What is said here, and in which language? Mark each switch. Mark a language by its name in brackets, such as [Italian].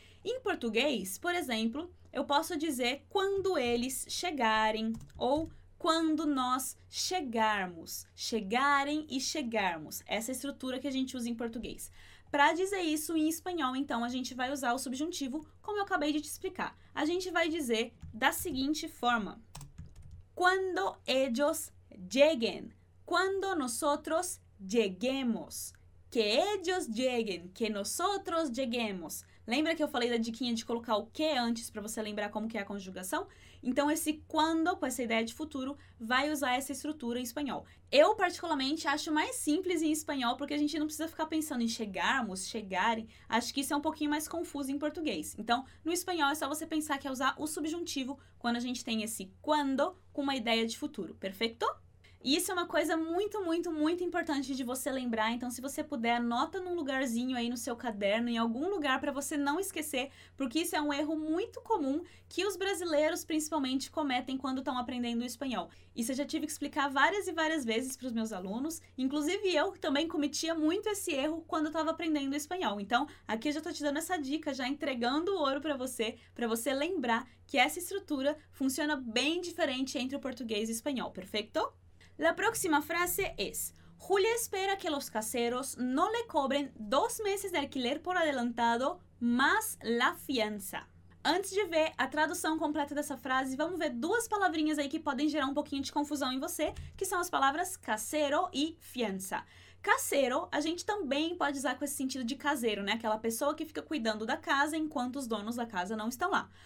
[Portuguese] Em português, por exemplo, eu posso dizer quando eles chegarem ou quando nós chegarmos. Chegarem e chegarmos. Essa estrutura que a gente usa em português. Para dizer isso em espanhol, então, a gente vai usar o subjuntivo, como eu acabei de te explicar. A gente vai dizer da seguinte forma. [Spanish] Cuando ellos lleguen. Cuando nosotros lleguemos. Que ellos lleguen. Que nosotros lleguemos. [Portuguese] Lembra que eu falei da diquinha de colocar o que antes para você lembrar como que é a conjugação? Então, esse quando, com essa ideia de futuro, vai usar essa estrutura em espanhol. Eu, particularmente, acho mais simples em espanhol, porque a gente não precisa ficar pensando em chegarmos, chegarem. Acho que isso é um pouquinho mais confuso em português. Então, no espanhol, é só você pensar que é usar o subjuntivo quando a gente tem esse quando com uma ideia de futuro. Perfeito? Isso é uma coisa muito, muito, muito importante de você lembrar. Então, se você puder, anota num lugarzinho aí no seu caderno, em algum lugar, para você não esquecer, porque isso é um erro muito comum que os brasileiros, principalmente, cometem quando estão aprendendo espanhol. Isso eu já tive que explicar várias e várias vezes para os meus alunos, inclusive eu também cometia muito esse erro quando estava aprendendo espanhol. Então, aqui eu já estou te dando essa dica, já entregando o ouro para você lembrar que essa estrutura funciona bem diferente entre o português e o espanhol, perfeito? [Spanish] La próxima frase es, Julia espera que los caseros no le cobren 2 meses de alquiler por adelantado, más la fianza. [Portuguese] Antes de ver a tradução completa dessa frase, vamos ver 2 palavrinhas aí que podem gerar um pouquinho de confusão em você, que são as palavras casero e fianza. Casero, a gente também pode usar com esse sentido de caseiro, né? Aquela pessoa que fica cuidando da casa enquanto os donos da casa não estão lá.